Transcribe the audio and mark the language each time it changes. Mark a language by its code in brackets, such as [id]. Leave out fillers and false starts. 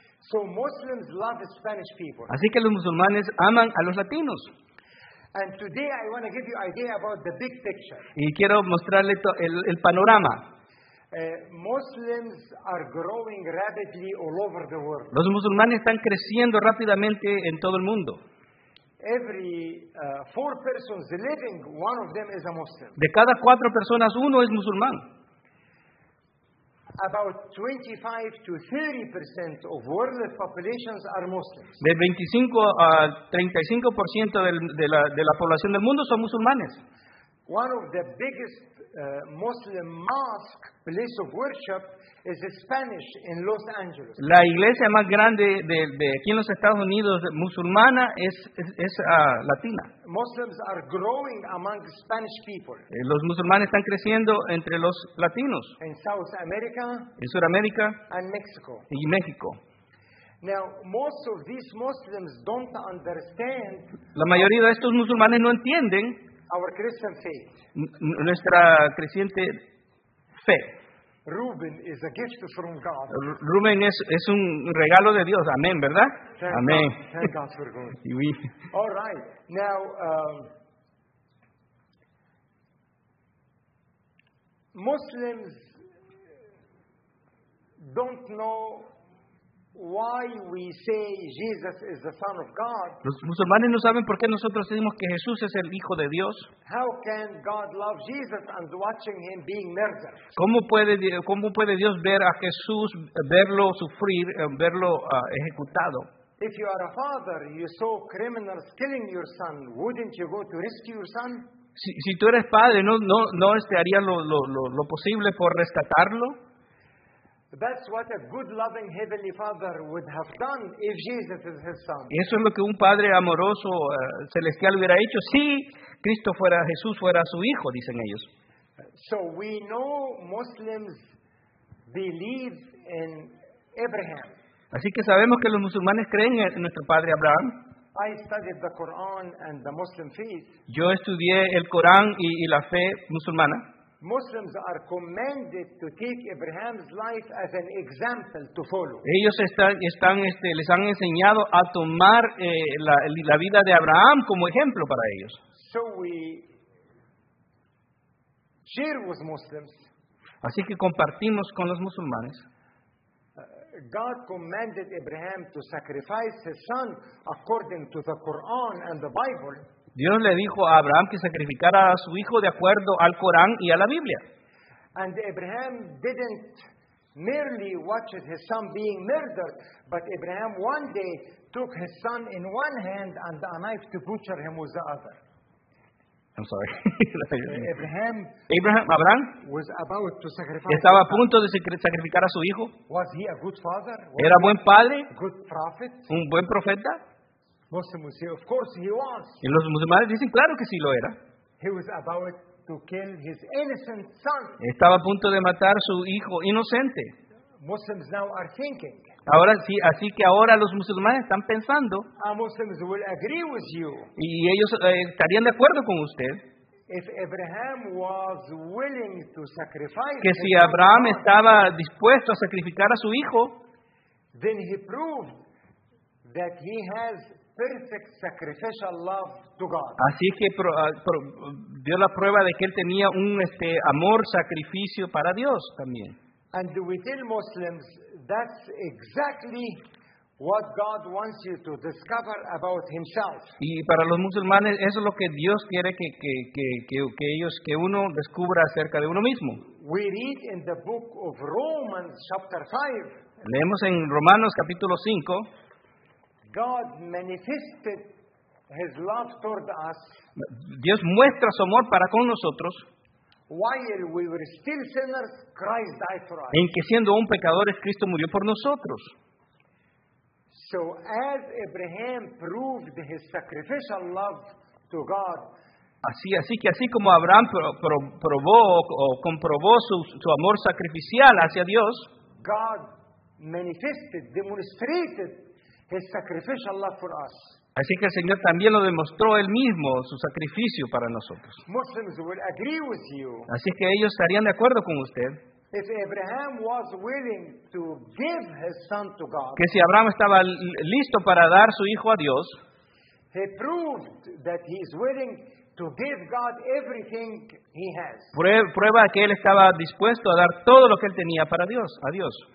[en] So Muslims love Spanish people. [es] Así que los musulmanes aman a los latinos. [en] And today I want to give you an idea about the big picture. [es] Y quiero mostrarle el panorama. [en] Muslims are growing rapidly all over the world. [es] Los musulmanes están creciendo rápidamente en todo el mundo. [en] Every four persons living, one of them is a Muslim. [es] De cada cuatro personas, uno es musulmán. [en] About 25 to 30% of world populations are Muslims. [es] De 25 a 35% de la población del mundo son musulmanes. [en] One of the biggest Muslim mosque place of worship is Spanish in Los Angeles. [es] La iglesia más grande de aquí en los Estados Unidos musulmana es latina. [en] Muslims are growing among Spanish people. [es] Los musulmanes están creciendo entre los latinos. [en] In South America. [es] En Sudamérica. [en] And Mexico. [es] Y México. [en] Now, most of these Muslims don't understand. [es] La mayoría de estos musulmanes no entienden. [en] Our Christian faith. [es] Nuestra creciente fe. [en] Reuben is a gift from God. [es] Reuben es un regalo de Dios. Amén, ¿verdad? [en] Thank [es] Amén. [en] God. Thank God for God. Oui. All right. Now, Muslims don't know why we say Jesus is the Son of God. [es] Los musulmanes no saben por qué nosotros decimos que Jesús es el Hijo de Dios. [en] How can God love Jesus and watching him being murdered? [es] ¿Cómo puede Dios ver a Jesús, verlo sufrir, verlo ejecutado? [en] If you are a father, you saw criminals killing your son, wouldn't you go to rescue your son? [es] Si tú eres padre, ¿no harías lo posible por rescatarlo? [en] That's what a good, loving heavenly father would have done if Jesus is his son. [es] Eso es lo que un padre amoroso celestial hubiera hecho si Cristo fuera Jesús fuera su hijo, dicen ellos. [en] So we know Muslims believe in Abraham. [es] Así que sabemos que los musulmanes creen en nuestro padre Abraham. [en] I studied the Quran and the Muslim faith. [es] Yo estudié el Corán y la fe musulmana. [en] Muslims are commanded to take Abraham's life as an example to follow. [es] Ellos les han enseñado a tomar la vida de Abraham como ejemplo para ellos. [en] So we share with Muslims. [es] Así que compartimos con los musulmanes. [en] God commanded Abraham to sacrifice his son according to the Quran and the Bible. [es] Dios le dijo a Abraham que sacrificara a su hijo de acuerdo al Corán y a la Biblia. [en] And Abraham didn't merely watch his son being murdered, but Abraham one day took his son in one hand and a knife to butcher him with the other. I'm sorry. Abraham was about to sacrifice. [es] Estaba a punto de sacrificar a su hijo. [en] Was he a good father? [es] Era buen padre. [en] Good prophet. [es] Un buen profeta. [en] Muslims say, of course he was. [es] Y los musulmanes dicen, claro que sí lo era. [en] He was about to kill his innocent son. [es] Estaba a punto de matar a su hijo inocente. [en] Muslims now are thinking. [es] Ahora sí, así que ahora los musulmanes están pensando. [en] Muslims will agree with you. [es] Y ellos estarían de acuerdo con usted. [en] If Abraham was willing to sacrifice. [es] Que si Abraham estaba dispuesto a sacrificar a su hijo. [en] Then he proved that he has perfect sacrificial love to God. [es] Así que dio la prueba de que él tenía un amor sacrificio para Dios también. [en] And we tell Muslims that's exactly what God wants you to discover about Himself. [es] Y para los musulmanes eso es lo que Dios quiere que ellos que uno descubra acerca de uno mismo. [en] We read in the book of Romans chapter 5. [es] Leemos en Romanos capítulo 5. [en] God manifested His love toward us. [es] Dios muestra su amor para con nosotros. [en] While we were still sinners, Christ died for us. [es] En que siendo aún pecadores, Cristo murió por nosotros. [en] So as Abraham proved his sacrificial love to God. [es] Así como Abraham probó o comprobó su amor sacrificial hacia Dios. [en] God manifested, demonstrated his sacrificial love for us. [es] Así que el Señor también lo demostró Él mismo, su sacrificio para nosotros. [en] Muslims will agree with you. [es] Así que ellos estarían de acuerdo con usted. [en] If Abraham was willing to give his son to God, [es] que si Abraham estaba listo para dar su hijo a Dios, [en] he proved that he is willing to give God everything he has. [es] Prueba que él estaba dispuesto a dar todo lo que él tenía para Dios, a Dios.